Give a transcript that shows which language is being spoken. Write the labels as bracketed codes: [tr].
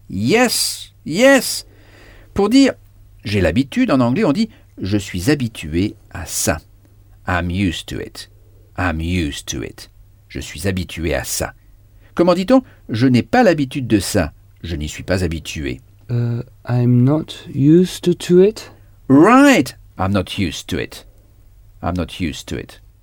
[en] Yes, yes. [fr] Pour dire j'ai l'habitude, en anglais, on dit je suis habitué à ça. [en] I'm used to it. I'm used to it. [fr] Je suis habitué à ça. Comment dit-on je n'ai pas l'habitude de ça. Je n'y suis pas habitué. [en] I'm not used to it. Right. I'm not used to it. I'm not used to it.